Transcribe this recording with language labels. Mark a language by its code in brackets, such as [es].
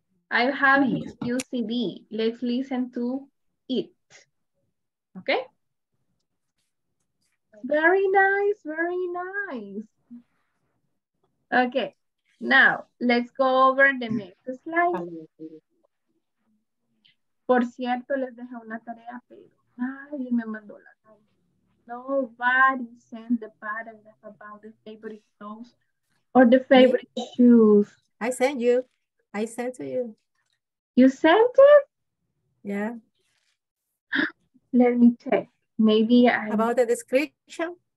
[en] I have his new CD. Let's listen to it. Okay? Very nice, very nice. Okay, now let's go over the next slide. [es] Por cierto, les dejé una tarea, pero nadie me mandó la tarea. [en] Nobody sent the paragraph about the favorite clothes or the favorite shoes. I sent you. I sent to you. You sent it? Yeah. Let me check. Maybe I... About the description?